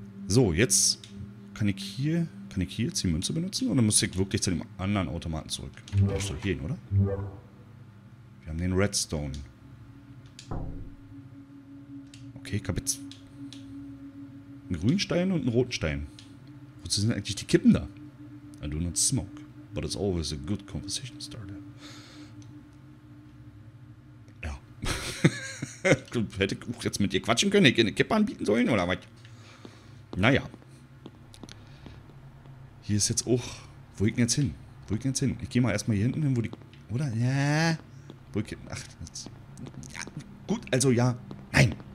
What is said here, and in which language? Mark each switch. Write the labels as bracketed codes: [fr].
[de] So, jetzt kann ich hier jetzt die Münze benutzen oder muss ich wirklich zu dem anderen Automaten zurück? Das soll hier hin, oder? Wir haben den Redstone. Okay, ich habe jetzt einen grünen Stein und einen roten Stein. Wozu sind eigentlich die Kippen da? [en] I do not smoke, but it's always a good conversation starter. [de] Ja. Hätte ich auch jetzt mit dir quatschen können, hätte ich eine Kippe anbieten sollen oder was? Naja. Hier ist jetzt auch. Wo geht denn jetzt hin? Wo geht denn jetzt hin? Ich gehe mal erstmal hier hinten hin, wo die. Oder? Ja. Wo geht denn. Ach, jetzt. Ja, gut, also ja. Nein!